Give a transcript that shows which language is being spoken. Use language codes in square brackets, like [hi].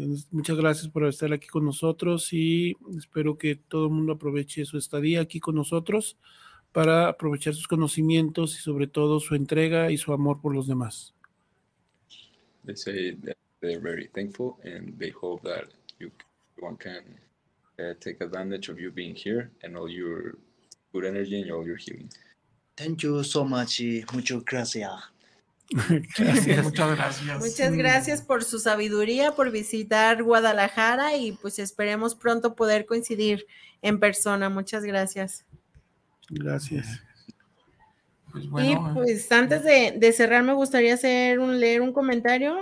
[es] Muchas gracias por estar aquí con nosotros y espero que todo el mundo aproveche su estadía aquí con nosotros para aprovechar sus conocimientos y sobre todo su entrega y su amor por los demás. [en] They say that they're very thankful and they hope that you one can take advantage of you being here and all your good energy and all your healing. Thank you so much. [es] Mucho gracias. Gracias. Muchas gracias. Muchas gracias por su sabiduría, por visitar Guadalajara y pues esperemos pronto poder coincidir en persona. Muchas gracias. Gracias. Pues bueno, y pues antes de cerrar me gustaría hacer leer un comentario.